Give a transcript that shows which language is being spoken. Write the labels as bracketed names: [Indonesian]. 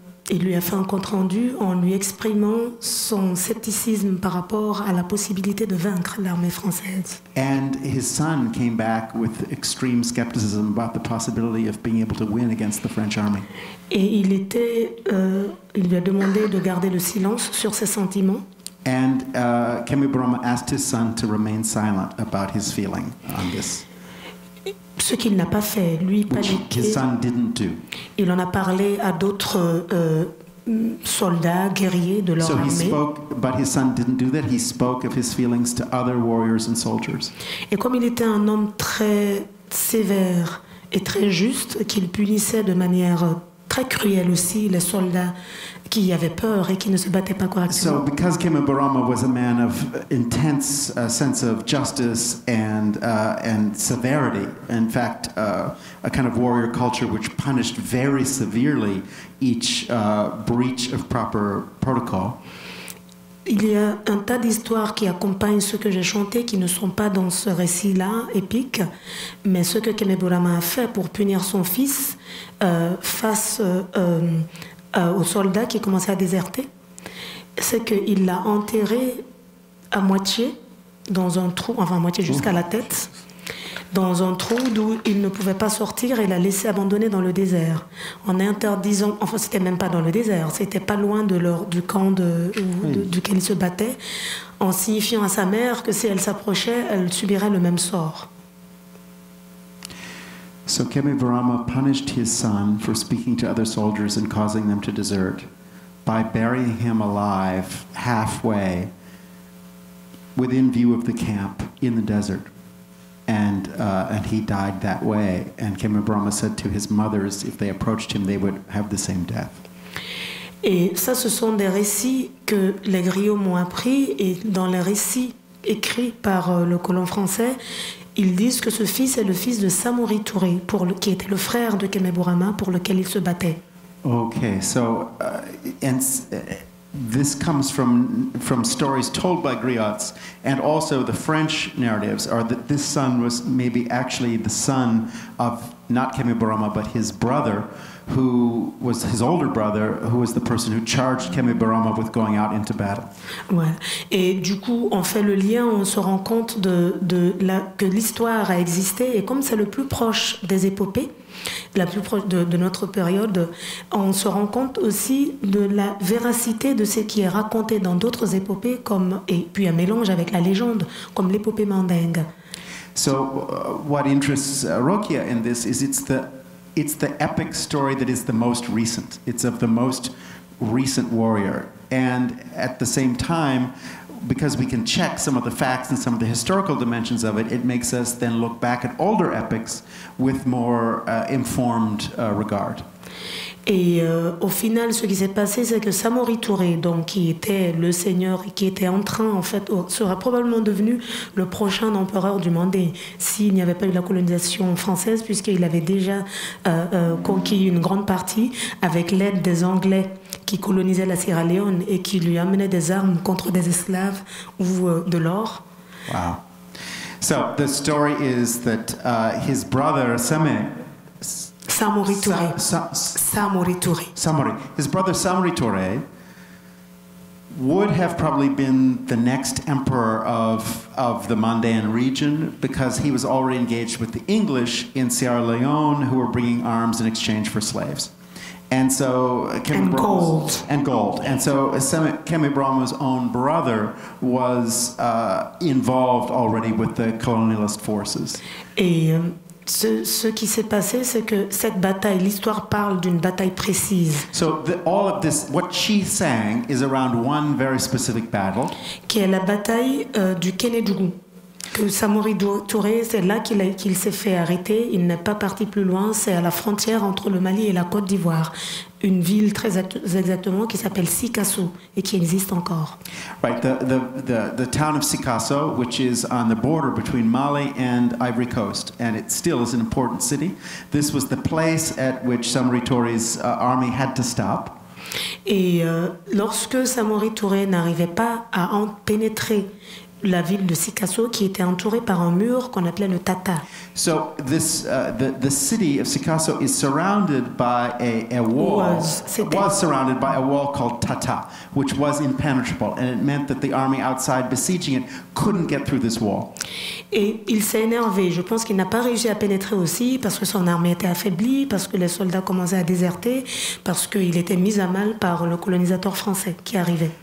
[French] il lui a fait un compte-rendu en lui exprimant son scepticisme par rapport à la possibilité de vaincre l'armée française. [English] And his son came back with extreme skepticism about the possibility of being able to win against the French army. [French] Et il lui a demandé de garder le silence sur ses sentiments. [English] And Kémé Birama asked his son to remain silent about his feeling on this. [French] Ce qu'il n'a pas fait, lui, paniqué, il en a parlé à d'autres soldats, guerriers de leur armée. [English] But his son didn't do that. He spoke of his feelings to other warriors and soldiers. [French] Et comme il était un homme très sévère et très juste, qu'il punissait de manière très cruelle aussi les soldats qui avaient peur et qui ne se battaient pas correctement. [English] So because Kémé Birama was a man of intense sense of justice and severity, in fact, a kind of warrior culture which punished very severely each breach of proper protocol. [French] Il y a un tas d'histoires qui accompagnent ce que j'ai chanté qui ne sont pas dans ce récit-là épique, mais ce que Kémé Birama a fait pour punir son fils face aux soldats qui commençaient à déserter, c'est qu'il l'a enterré à moitié dans un trou, enfin à moitié jusqu'à la tête, dans un trou d'où il ne pouvait pas sortir et l'a laissé abandonner dans le désert. En interdisant, enfin c'était même pas dans le désert, c'était pas loin du camp duquel il se battait, en signifiant à sa mère que si elle s'approchait, elle subirait le même sort. [English] So Kémé Birama punished his son for speaking to other soldiers and causing them to desert by burying him alive halfway within view of the camp in the desert. And he died that way. And Kémé Birama said to his mothers, if they approached him, they would have the same death. [French] Et ça, ce sont des récits que les griots m'ont appris, et dans les récits écrits par le colon français, ils disent que ce fils est le fils de Samori Touré, qui était le frère de Kemeburama, pour lequel il se battait. [English] Okay, so and this comes from stories told by griots, and also the French narratives are that this son was maybe actually the son of not Kemeburama, but his brother, who was his older brother, who was the person who charged Kemeburama with going out into battle. [French] Ouais. Et du coup, on fait le lien, on se rend compte que l'histoire a existé, et comme c'est le plus proche des épopées, la plus proche de notre période, on se rend compte aussi de la véracité de ce qui est raconté dans d'autres épopées, comme, et puis un mélange avec la légende, comme l'épopée mandingue. [English] So, what interests Rokia in this is it's the epic story that is the most recent. It's of the most recent warrior. And at the same time, because we can check some of the facts and some of the historical dimensions of it, it makes us then look back at older epics with more informed regard. [French] Et au final, ce qui s'est passé, c'est que Samori Touré, donc, qui était le seigneur, qui était en train, en fait, sera probablement devenu le prochain empereur du Mandé s'il n'y avait pas eu la colonisation française, puisqu'il avait déjà conquis une grande partie avec l'aide des Anglais qui colonisaient la Sierra Leone et qui lui amenaient des armes contre des esclaves ou de l'or. [English] Wow. So, the story is that his brother, Samé, Samori Touré. His brother Samori Touré would have probably been the next emperor of the Mandan region because he was already engaged with the English in Sierra Leone who were bringing arms in exchange for slaves. And so And gold. And so Kemeburama's own brother was involved already with the colonialist forces. [French] Ce qui s'est passé, c'est que cette bataille, l'histoire parle d'une bataille précise. [English] So all of this, what she sang is around one very specific battle. [French] Qui est la bataille du Kenedougou. Que Samori Touré, c'est là qu'il s'est fait arrêter. Il n'est pas parti plus loin. C'est à la frontière entre le Mali et la Côte d'Ivoire. Une ville très exactement qui s'appelle Sikasso et qui existe encore. [English] Right, the town of Sikasso, which is on the border between Mali and Ivory Coast, and it still is an important city. This was the place at which Samori Touré's army had to stop. [French] Et lorsque Samori Touré n'arrivait pas à en pénétrer la ville de Sikasso, qui était entourée par un mur qu'on appelait le Tata. [English] So this the city of Sikasso is surrounded by a wall. Was surrounded by a wall called Tata, which was impenetrable, and it meant that the army outside besieging it couldn't get through this wall. [French] Et il s'est énervé. Je pense qu'il n'a pas réussi à pénétrer aussi parce que son armée était affaiblie, parce que les soldats commençaient à déserter, parce qu'il était mis à mal par le colonisateur français qui arrivait.